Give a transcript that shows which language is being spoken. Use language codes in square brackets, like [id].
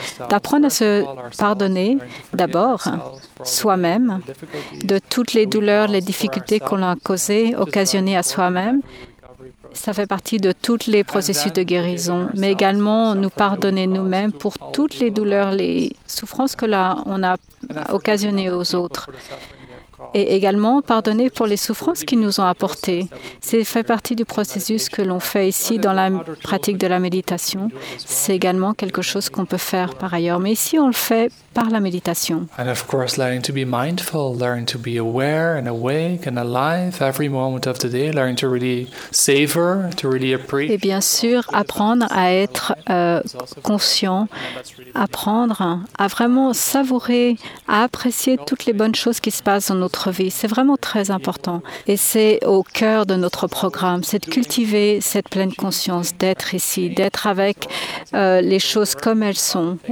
[fr] D'apprendre à se pardonner d'abord, soi-même, de toutes les douleurs, les difficultés qu'on a causées, occasionnées à soi-même, ça fait partie de tous les processus de guérison, mais également nous pardonner nous-mêmes pour toutes les douleurs, les souffrances que là on a occasionnées aux autres. Et également pardonner pour les souffrances qu'ils nous ont apportées. C'est fait partie du processus que l'on fait ici dans la pratique de la méditation. C'est également quelque chose qu'on peut faire par ailleurs. Mais ici, on le fait par la méditation. [en] And of course, learning to be mindful, learning to be aware and awake and alive every moment of the day, learning to really savor, to really appreciate. [fr] Et bien sûr, apprendre à être conscient, apprendre à vraiment savourer, à apprécier toutes les bonnes choses qui se passent dans notre vie. C'est vraiment très important. Et c'est au cœur de notre programme, c'est de cultiver cette pleine conscience, d'être ici, d'être avec les choses comme elles sont.